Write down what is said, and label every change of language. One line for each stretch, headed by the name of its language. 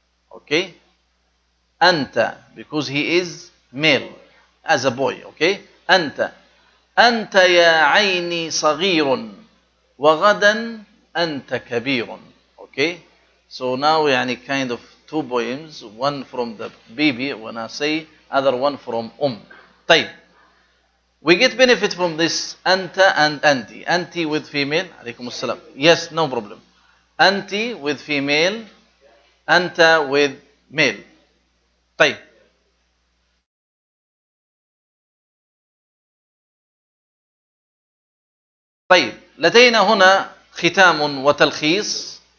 English: Okay؟ أنت because he is male as a boy.
Arabic: Okay؟ أنت. أنت يا عيني صغير وغدا أنت كبير.
English: Okay, so now يعني kind of two poems, one from the baby when I say, other one from أم. طيب we get benefit from this أنت and أنتي. أنتي with female.
Arabic: عليكم السلام.
English: Yes, no problem. أنتي with female, أنت with male.
Arabic: طيب طيب لدينا هنا ختام وتلخيص.